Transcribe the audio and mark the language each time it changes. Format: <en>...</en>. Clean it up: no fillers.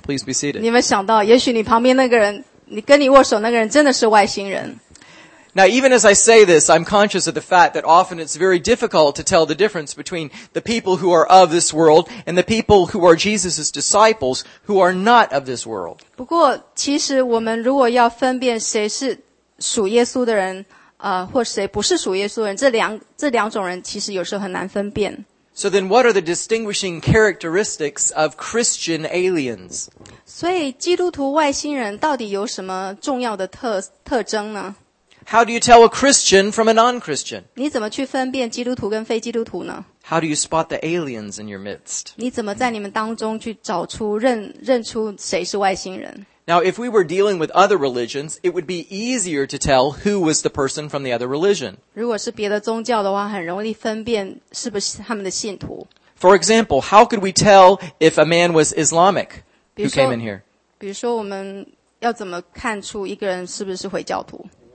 <en>Please be seated.</en> <zh>你们想到，也许你旁边那个人，你跟你握手那个人真的是外星人。</zh> <en>Now, even as I say this, I'm conscious of the fact that often it's very difficult to tell the difference between the people who are of this world and the people who are Jesus' disciples who are not of this world.</en> <zh>不过，其实我们如果要分辨谁是属耶稣的人，或谁不是属耶稣的人，这两种人其实有时候很难分辨。</zh> <en>So then what are the distinguishing characteristics of Christian aliens?</en> <zh>所以基督徒外星人到底有什么重要的特征呢？</zh> <en>How do you tell a Christian from a non-Christian?</en> <zh>你怎么去分辨基督徒跟非基督徒呢？</zh> <en>How do you spot the aliens in your midst?</en> <zh>你怎么在你们当中去找出认出谁是外星人？</zh> <en>Now, if we were dealing with other religions, it would be easier to tell who was the person from the other religion.</en> <zh>如果是别的宗教的话，很容易分辨是不是他们的信徒。</zh> <en>For example, how could we tell if a man was Islamic who came in here?</en> <zh>比如说我们要怎么看出一个人是不是回教徒？</zh>